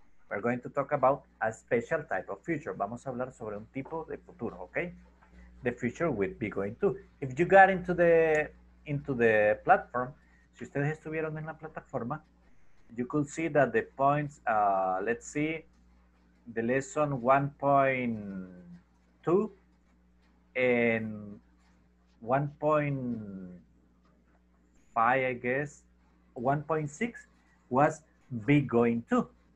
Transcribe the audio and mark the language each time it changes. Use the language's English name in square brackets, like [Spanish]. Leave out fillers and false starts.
[English] We're going to talk about a special type of future. [Spanish] Vamos a hablar sobre un tipo de futuro, okay? [English] The future with be going to. If you got into the platform, [Spanish] si ustedes estuvieron en la plataforma, [English] you could see that the points, let's see, the lesson 1.2 and 1.5, I guess, 1.6 was be going to.